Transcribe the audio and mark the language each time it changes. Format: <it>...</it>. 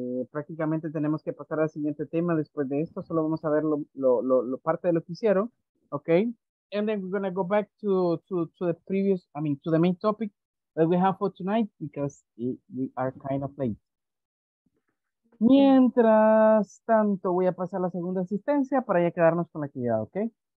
<es>Prácticamente tenemos que pasar al siguiente tema después de esto. Solo vamos a ver lo parte de lo que hicieron. Okay.</es> <en>And then we're going to go back to the previous, I mean, to the main topic that we have for tonight, because we are kind of late.</en> <es>Mientras tanto, voy a pasar a la segunda asistencia para ya quedarnos con la actividad, okay?</es>